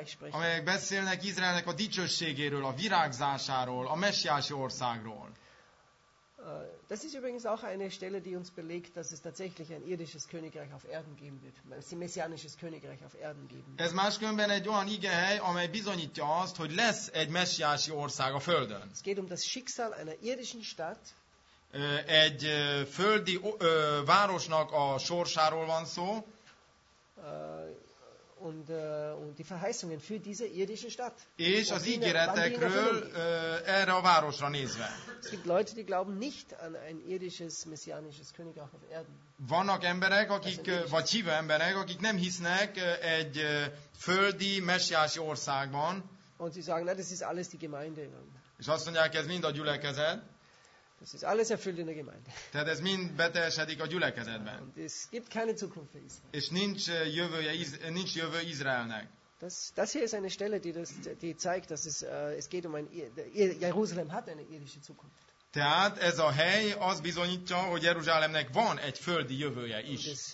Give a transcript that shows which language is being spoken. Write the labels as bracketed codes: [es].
[hu] Amelyek beszélnek Izraelnek a dicsőségéről, a virágzásáról, a messiási országról. [de] Das ist übrigens auch eine Stelle, die uns belegt, dass es tatsächlich ein irdisches Königreich auf Erden geben wird. Ein messianisches Königreich auf Erden geben wird. [hu] Ez máskülönben egy olyan igehely, amely bizonyítja azt, hogy lesz egy messiási ország a Földön. [de] Es geht um das Schicksal einer irdischen Stadt. [hu] Egy földi városnak a sorsáról van szó. [de] Und die Verheißungen für diese irdische Stadt. [hu] És az ígéretekről erre a városra nézve. [de] Es gibt Leute, die glauben nicht an ein irdisches messianisches Königreich auf Erden. [hu] Vannak emberek, akik, vagy hívő emberek, akik nem hisznek egy földi messiási országban. [de] Und sie sagen, na, das ist alles die Gemeinde. [hu] És azt mondják, ez mind a gyülekezet. [de] Das ist alles erfüllt in der Gemeinde. [hu] Tehát ez mind beteljesedik a gyülekezetben. [de] Und es gibt keine Zukunft für Israel. [hu] És nincs jövő Izraelnek. [de] Das hier ist eine Stelle, die zeigt, dass es geht um ein Jerusalem hat eine irdische Zukunft. [hu] Tehát ez a hely az bizonyítja, hogy Jeruzsálemnek van egy földi jövője is.